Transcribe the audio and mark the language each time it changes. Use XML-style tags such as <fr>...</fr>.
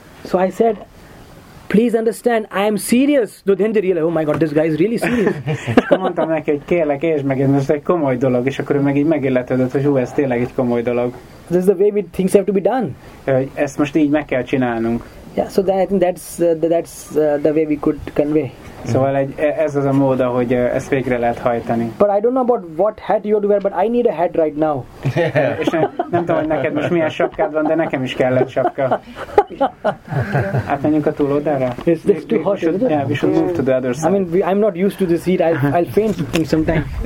<en>So I said, please understand, I am serious. So then they realize, oh my God, this guy is really serious.</en> <hu>Mondtam neki, hogy kérlek, értsd meg, ez egy komoly dolog, és akkor ő meg így megilletődött, hogy ez tényleg egy komoly dolog.</hu> <en>This is the way things have to be done.</en> <hu>Ezt most így meg kell csinálnunk.</hu> <en>Yeah, so then I think that's the way we could convey.</en> <hu>Szóval egy, ez az a mód, ahogy ezt végre lehet hajtani.</hu> <en>But I don't know about what hat you have to wear, but I need a hat right now.</en> <hu>És nem tudom, hogy neked most milyen sapkád van, de nekem is kellett sapka. Átmenjünk a túloldára?</hu> <en>It's too hot, isn't it? Yeah, we should move to the other side. I mean, I'm not used to this heat, I'll faint something sometime.</en>